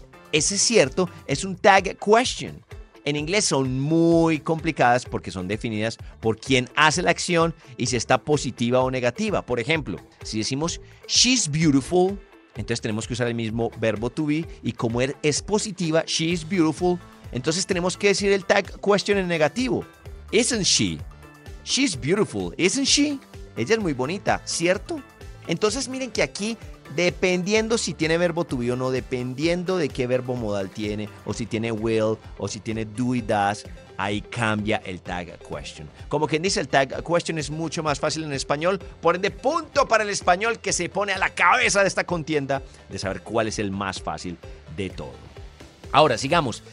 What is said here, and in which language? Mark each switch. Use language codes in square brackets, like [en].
[es] Ese cierto es un tag question. En inglés son muy complicadas porque son definidas por quién hace la acción y si está positiva o negativa. Por ejemplo, si decimos, [en] she's beautiful, [es] entonces tenemos que usar el mismo verbo to be, y como es positiva, she's beautiful, entonces tenemos que decir el tag question en negativo. [en] Isn't she? She's beautiful, isn't she? [es] Ella es muy bonita, ¿cierto? Entonces miren que aquí, dependiendo si tiene verbo to be o no, dependiendo de qué verbo modal tiene, o si tiene will, o si tiene do y does, ahí cambia el tag question. Como quien dice, el tag question es mucho más fácil en español, por ende, punto para el español, que se pone a la cabeza de esta contienda de saber cuál es el más fácil de todo. Ahora, sigamos.